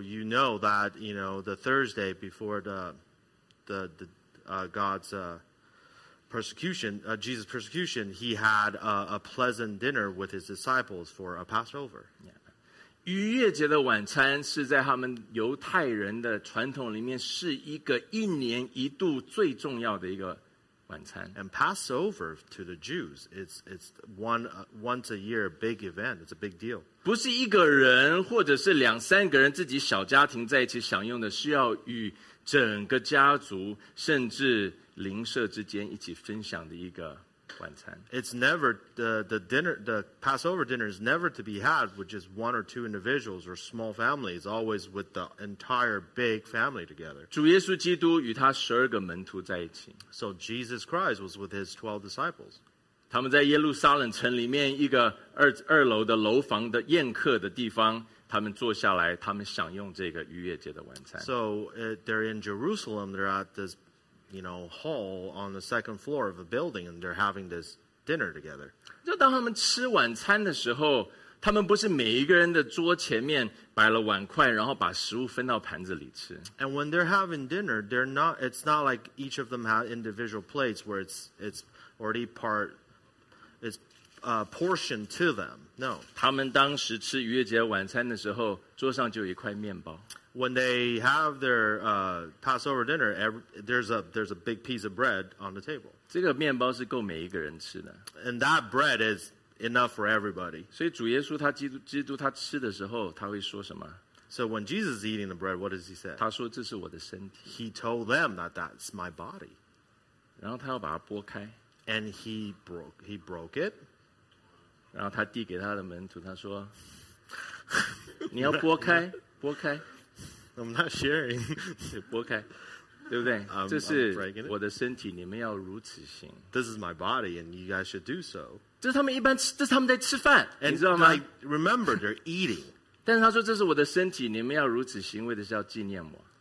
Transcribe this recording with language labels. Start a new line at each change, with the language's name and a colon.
English: you know that, you know, the Thursday before Jesus' persecution, he had a pleasant dinner with his disciples for a Passover. Yeah.
Chinese: 逾越节的晚餐是在他们犹太人的传统里面是一个一年一度最重要的一个晚餐。
English: And Passover to the Jews, it's once a year big event. It's a big deal.
Chinese: 不是一个人或者是两三个人自己小家庭在一起享用的，是要与整个家族甚至邻舍之间一起分享的一个。
English: It's never the Passover dinner is never to be had with just one or two individuals or small families. Always with the entire big family together.
Chinese: 主耶稣基督与他十二个门徒在一起。
English: So Jesus Christ was with his 12 disciples.
Chinese: 他们在耶路撒冷城里面一个二楼的楼房的宴客的地方。他们坐下来, 他们享用这个逾越节的晚餐。
English: So they're in Jerusalem, they're at this, you know, hall on the second floor of a building, and they're having this dinner together.
Chinese: 就当他们吃晚餐的时候, 他们不是每一个人的桌前面摆了碗筷, 然后把食物分到盘子里吃。
English: And when they're having dinner, they're not, it's not like each of them have individual plates where it's already part, it's portioned to them. No.
Chinese: 他们当时吃逾越节晚餐的时候, 桌上就有一块面包。
English: When they have their Passover dinner, there's a big piece of bread on the table.
Chinese: 这个面包是够每一个人吃的。
English: And that bread is enough for everybody.
Chinese: 所以主耶稣他基督他吃的时候, 他会说什么?
English: So when Jesus is eating the bread, what does he say?
Chinese: 他说这是我的身体。
English: He told them that that's my body.
Chinese: 然后他要把它拨开。
English: And he broke it.
Chinese: 然后他递给他的门徒, 他说, 你要拨开, 拨开。
English: I'm not sharing.
Chinese: 拨开, 对不对?
English: I'm,
Chinese: 这是我的身体, 你们要如此行。
English: This is my body, and you guys should do so.
Chinese: 这是他们一般吃,这是他们在吃饭,
English: and
Chinese: 你知道吗?
English: I remember, they're eating.
Chinese: 但是他说, 这是我的身体, 你们要如此行, 为的是要纪念我。